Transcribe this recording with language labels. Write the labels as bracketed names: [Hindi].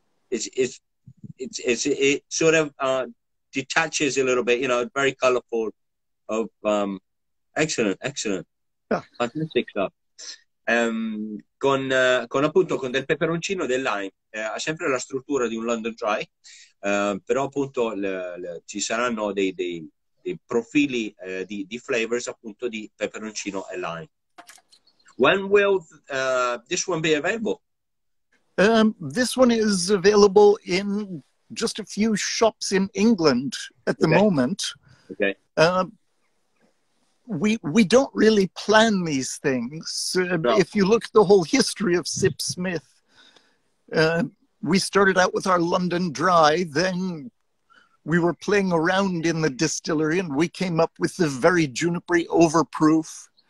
[English] It sort of detaches a little bit, you know, very colorful. Of excellent, yeah. Fantastic stuff. [Italian] Con appunto con del peperoncino, del lime, ha sempre la struttura di un London Dry, però appunto ci saranno dei profili di flavors appunto di peperoncino e lime. [English] When will this one be available? This one is available in just a few shops in England at the moment. Okay. We don't really plan these things. If you look at the whole history of Sipsmith, we started out with our London Dry, then we were playing around in the distillery and we came up with the very junipery overproof.